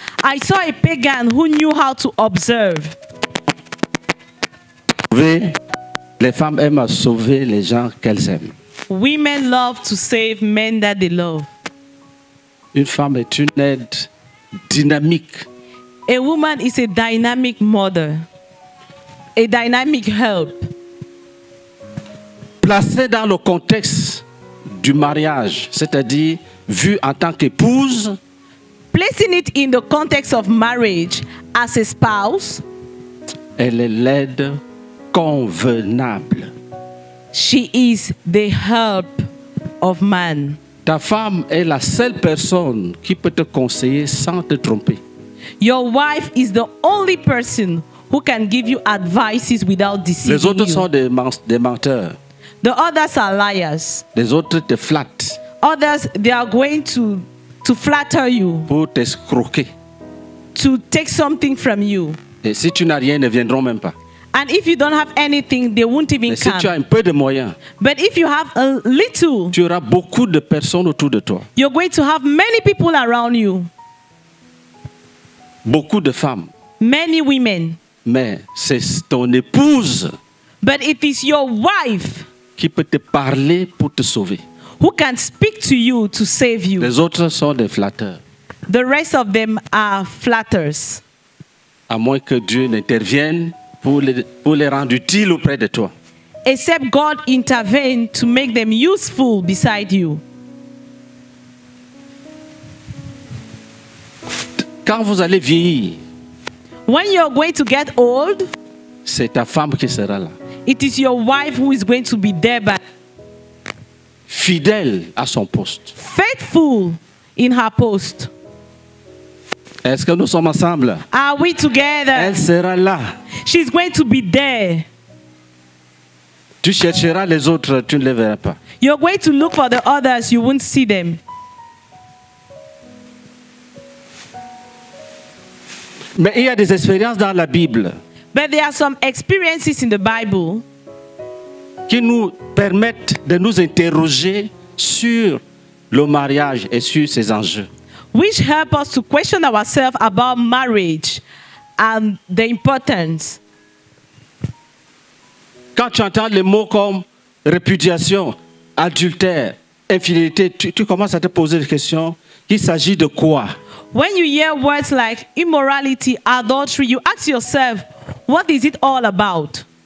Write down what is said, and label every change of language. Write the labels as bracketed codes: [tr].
[en] I saw a pagan who knew how to observe. [fr] Les femmes aiment à sauver les gens qu'elles aiment. [en] Women love to save men that they love. [fr] Une femme est une aide dynamique. [en] A woman is a dynamic mother. A dynamic help. [fr] Placée dans le contexte du mariage, c'est-à-dire vue en tant qu'épouse. [en] Placing it in the context of marriage as a spouse. [fr] Elle est l'aide convenable. [en] She is the help of man. [fr] Ta femme est la seule personne qui peut te conseiller sans te tromper. [en] Your wife is the only person who can give you advices without deceiving you. [fr] Les autres sont des menteurs. [en] The others are liars. [fr] Les autres te flattent. [en] Others, they are going to flatter you. [fr] Pour t'escroquer. [en] To take something from you. [fr] Et si tu n'as rien, ils ne viendront même pas. [en] And if you don't have anything, they won't even [fr] mais [en] come. [fr] Si tu as un peu de moyens. [en] But if you have a little. [fr] Tu auras beaucoup de personnes autour de toi. [en] You're going to have many people around you. [fr] Beaucoup de femmes. [en] Many women. [fr] Mais c'est ton épouse. [en] But it is your wife. [fr] Qui peut te parler pour te sauver. [en] Who can speak to you to save you. [fr] Les autres sont des flatteurs. [en] The rest of them are flatterers. [fr] à moins que Dieu n'intervienne pour les rendre utiles auprès de toi. [en] Except God intervene to make them useful beside you. [fr] Quand vous allez vieillir, [en] when you're going to get old, [fr] c'est ta femme qui sera là. [en] It is your wife who is going to be there, but [fr] fidèle à son poste. [en] Faithful in her post. [fr] Est-ce que nous sommes ensemble? [en] Are we together? [fr] Elle sera là. [en] She's going to be there. [fr] Tu chercheras les autres, tu ne les verras pas. [en] You're going to look for the others, you won't see them. [fr] Mais il y a des expériences dans la Bible. [en] But there are some experiences in the Bible [fr] qui nous permettent de nous interroger sur le mariage et sur ses enjeux. [en] Which help us to question ourselves about marriage and the importance. [fr] Quand tu entends les mots comme répudiation, adultère, infidélité, tu commences à te poser des questions. Il s'agit de quoi? [en] When you hear words like immorality, adultery, you ask yourself, what is it all about?